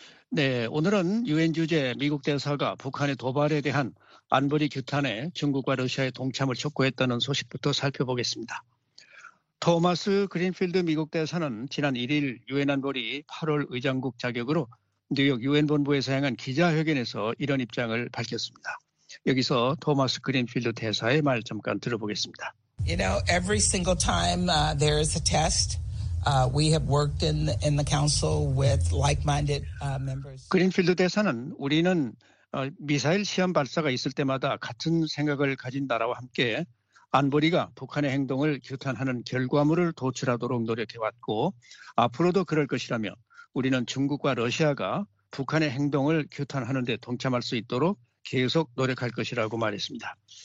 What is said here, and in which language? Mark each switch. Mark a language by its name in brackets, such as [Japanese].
[Korean] 네, 오늘은 유엔 주재 미국 대사가 북한의 도발에 대한 안보리 규탄에 중국과 러시아의 동참을 촉구했다는 소식부터 살펴보겠습니다. 토마스 그린필드 미국 대사는 지난 1일 유엔 안보리 8월 의장국 자격으로 뉴욕 유엔 본부에서 향한 기자회견에서 이런 입장을 밝혔습니다. 여기서 토마스 그린필드 대사의 말 잠깐 들어보겠습니다. [English] You know, every single time there is a test, we have worked in the council with like-minded members. [Korean] 그린필드 대사는 우리는 미사일 시험 발사가 있을 때마다 같은 생각을 가진 나라와 함께 안보리가 북한의 행동을 규탄하는 결과물을 도출하도록 노력해왔고 앞으로도 그럴 것이라며 우리는 중국과 러시아가 북한의 행동을 규탄하는 데 동참할 수 있도록 계속 노력할 것이라고 말했습니다.